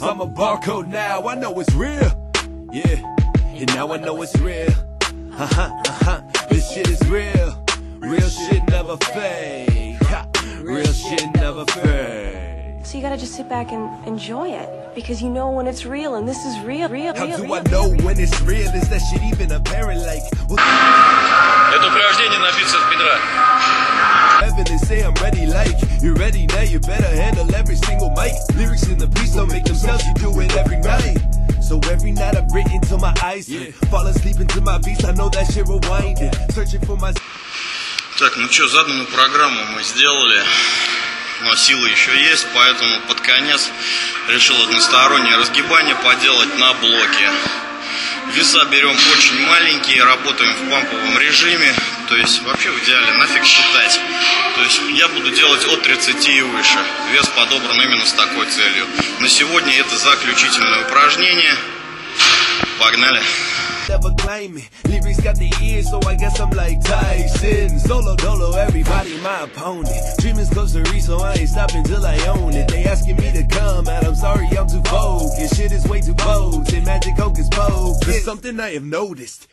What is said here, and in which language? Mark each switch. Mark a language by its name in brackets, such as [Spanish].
[English] I'm a barcode now. I know it's real. Yeah, and now I know it's real. Uh-huh, uh-huh. This shit is real. Real shit never fade. Real shit never fade. So you gotta just sit back and enjoy it, because you know when it's real, and this is real, real, real. How do I know when it's real? Is that shit even apparent? Like, [Russian] это упражнение на бицепс бедра. [English] Heaven, they say I'm ready, like, you're ready now, you better handle every single mic. Lyrics in the piece don't make themselves, you do it every night. So every night I've written till my eyes fall asleep into my beats, I know that shit rewind. Searching for my... [Russian] Так, ну что, заданную программу мы сделали. Но силы еще есть, поэтому под конец решил одностороннее разгибание поделать на блоке. Веса берем очень маленькие, работаем в памповом режиме. То есть вообще в идеале нафиг считать. То есть я буду делать от 30 и выше. Вес подобран именно с такой целью. На сегодня это заключительное упражнение. Погнали! [English] Never claim it. Lyrics got the ears, so I guess I'm like Tyson. Solo dolo, everybody my opponent. Dream is close to reach, so I ain't stopping till I own it. They asking me to come out, I'm sorry I'm too focused. Shit is way too potent, magic hocus pocus. It's something I have noticed.